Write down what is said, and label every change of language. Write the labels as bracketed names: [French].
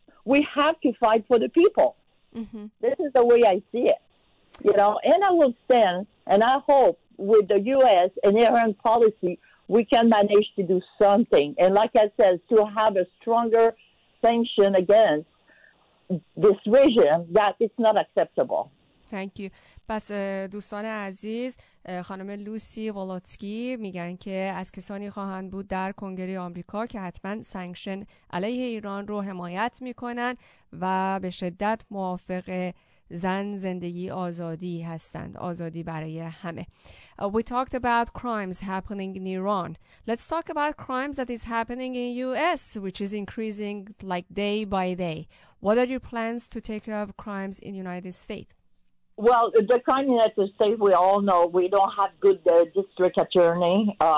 [English] We have to fight for the people. Mm-hmm. This is the way I see it. You know, and I will stand, and I hope with the U.S. and Iran policy, we can manage to do something. And like I said, to have a stronger sanction against this regime, that it's not acceptable. Thank you. [Persian] پس دوستان عزیز، خانم لوسی ولوتسکی میگن که از کسانی خواهند بود در کنگره آمریکا که حتما سانکشن علیه ایران رو حمایت میکنن و به شدت موافق زن زندگی آزادی هستند، آزادی برای همه. [English] We talked about crimes happening in Iran. Let's talk about crimes that is happening in US, which is increasing like day by day. What are your plans to take care of crimes in United States? Well, the crime in the state, we all know we don't have good district attorney.